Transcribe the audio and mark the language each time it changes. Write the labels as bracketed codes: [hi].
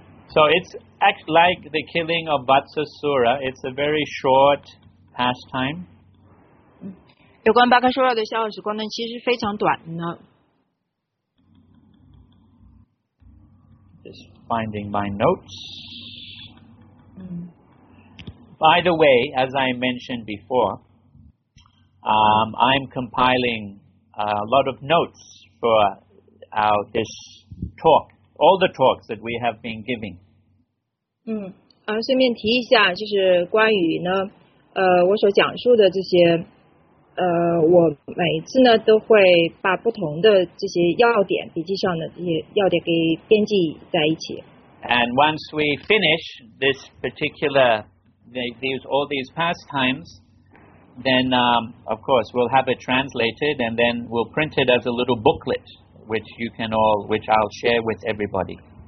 [en] So it's act like the killing of Vatsasura. It's a very short pastime. [zh] 有关巴卡舒拉的逍遥时光呢，其实非常短呢。Just [en] finding my notes. By the way, as I mentioned before, I'm compiling a lot of notes for out this talk, all the talks that we have been giving. [zh] 顺便提一下，就是关于呢，我所讲述的这些，我每一次呢都会把不同的这些要点，笔记上的这些要点给编辑在一起。 [en] And once we finish this particular, these all these pastimes, then of course we'll have it translated, and then we'll print it as a little booklet, which I'll share with everybody.